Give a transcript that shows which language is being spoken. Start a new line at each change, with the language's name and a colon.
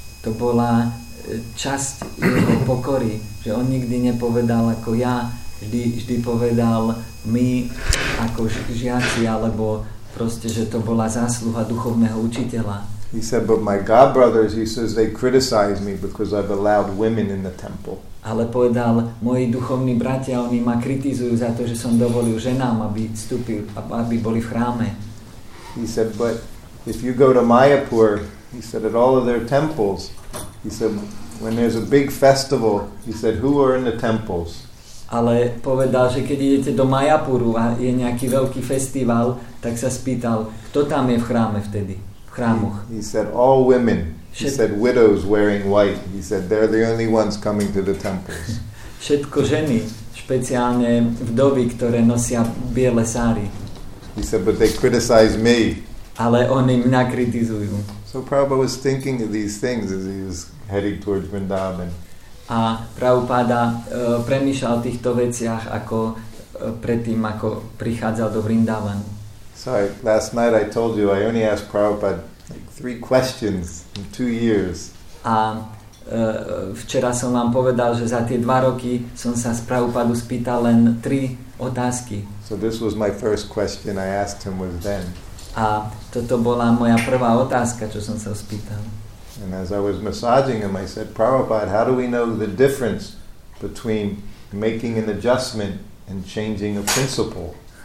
Slovak: To bola časť jeho pokory, že on nikdy nepovedal ako ja, vždy povedal my ako žiaci, alebo proste, že to bola zásluha duchovného učiteľa.
English: He said, but my God brothers, he says, they criticize me because I've allowed women in the temple.
Slovak: Ale povedal, moji duchovní bratia, oni ma kritizujú za to, že som dovolil ženám, aby boli v chráme.
English: He said, but if you go to Mayapur, he said, at all of their temples, he said, when there's a big festival, he said, who are in the temples?
Slovak: Ale povedal, že keď idete do Mayapuru a je nejaký veľký festival, tak sa spýtal, kto tam je v chráme vtedy, v chrámoch?
English: He said, all women. He said, widows wearing white. He said, they're the only ones coming to the temples.
Slovak: Všetko ženy, špeciálne vdovy, ktoré nosia biele sári.
English: He said, but they criticize me.
Slovak: Ale oni mňa kritizujú.
English: So Prabhupada was thinking of these things as he was heading towards Vrindavan.
Slovak: A Prabhupada premýšľal o týchto veciach ako predtým, ako prichádzal do Vrindavan.
English: Sorry, last night I told you, I only asked Prabhupada like 3 questions in 2 years.
Slovak: A včera som vám povedal, že za tie 2 roky som sa s Prabhupadu spýtal len 3 otázky.
English: So this was my first question I asked him was then.
Slovak: A toto bola moja prvá otázka, čo som sa spýtal.
English: And as I was massaging him, I said, Prabhupada, how do we know the difference between making an adjustment and changing a principle?